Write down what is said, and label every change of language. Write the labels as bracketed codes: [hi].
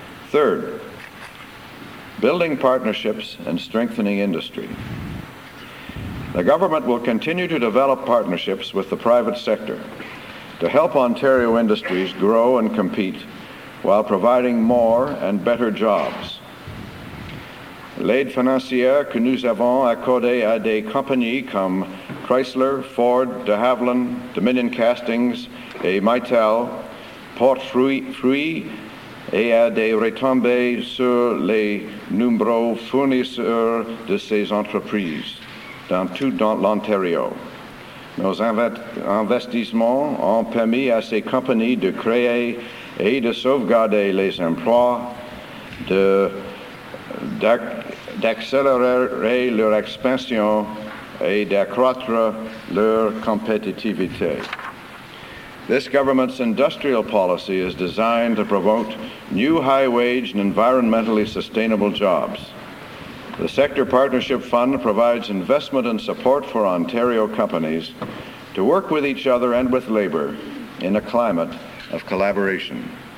[en] Third, building partnerships and strengthening industry. The government will continue to develop partnerships with the private sector to help Ontario industries grow and compete while providing more and better jobs. [fr] L'aide financière que nous avons accordée à des compagnies comme Chrysler, Ford, De Havilland, Dominion Castings et Mitel porte fruit et a des retombées sur les nombreux fournisseurs de ces entreprises dans tout l'Ontario. Nos investissements ont permis à ces compagnies de créer et de sauvegarder les emplois, d'accélérer leur expansion et d'accroître leur compétitivité. [en] This government's industrial policy is designed to promote new high-wage and environmentally sustainable jobs. The Sector Partnership Fund provides investment and support for Ontario companies to work with each other and with labour in a climate of collaboration.